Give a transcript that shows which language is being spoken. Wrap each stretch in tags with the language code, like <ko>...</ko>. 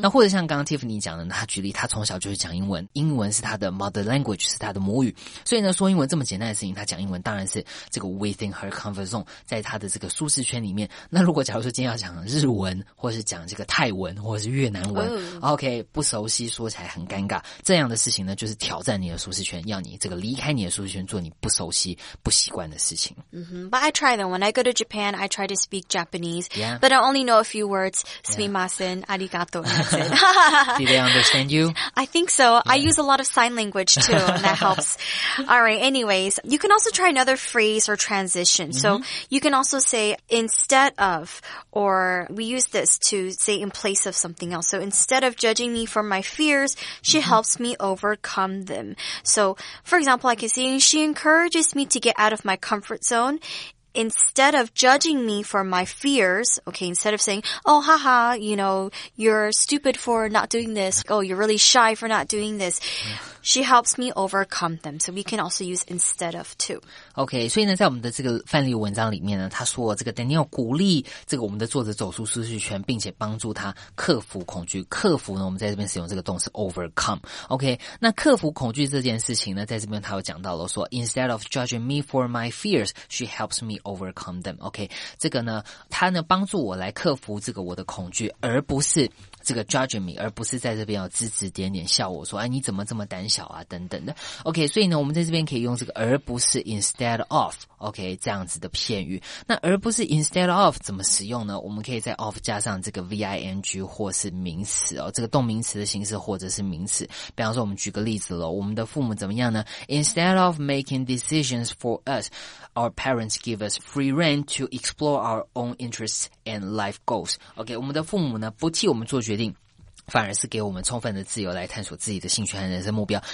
<zh>那或者像刚刚 Tiffany 讲的，他举例他从小就是讲英文，英文是他的</zh> <en>mother language，</en> <zh>是他的母语，所以呢说英文这么简单的事情，他讲英文当然是这个</zh> <en>within her comfort zone，</en> <zh>在他的这个舒适圈里面。那如果假如说今天要讲日文或是讲这个泰文或是越南文、 mm-hmm. OK 不熟悉说起来很尴尬，这样的事情呢就是挑战你的舒适圈，要你这个离开你的舒适圈做你不熟悉不习惯的事情、 mm-hmm.</zh> <en>But I try them. When I go to Japan I try to speak Japanese、 yeah. But I only know a few words. Sumimasen、yeah. Arigato, do they understand you? I think so. Yeah. I use a lot of sign language too, and that helps. All right, anyways, you can also try another phrase or transition.、 Mm-hmm. So you can also say instead of, or we use this to say in place of something else. So instead of judging me for my fears, she、mm-hmm. helps me overcome them. So for example, I can say she encourages me to get out of my comfort zone. Instead of judging me for my fears, okay, instead of saying, oh, haha, you know, you're stupid for not doing this. Oh, you're really shy for not doing this. She helps me overcome them. So we can also use instead of too.</en> <zh>Okay, 所以呢在我们的这个范例文章里面呢，他说这个 Daniel 鼓励这个我们的作者走出舒适圈，并且帮助他克服恐惧。克服呢我们在这边使用这个动词 overcome. Okay, 那克服恐惧这件事情呢，在这边他有讲到了说</zh> <en>instead of judging me for my fears, she helps me overcome them.</en> <zh>Okay, 这个呢他呢帮助我来克服这个我的恐惧，而不是这个</zh> <en>judging me,</en> <zh>而不是在这边要指指点点笑我说哎，你怎么这么胆小啊等等的。 OK, 所以呢我们在这边可以用这个而不是 instead of, OK, 这样子的片语。那而不是 instead of 怎么使用呢？我们可以在 of 加上这个 ving 或是名词哦，这个动名词的形式或者是名词。比方说我们举个例子了，我们的父母怎么样呢？</zh> <en>Instead of making decisions for us, our parents give us free rein to explore our own interests and life goals.</en> <zh>OK, 我们的父母呢不替我们做决定，反而是给我们充分的自由来探索自己的兴趣和人生目标。</zh>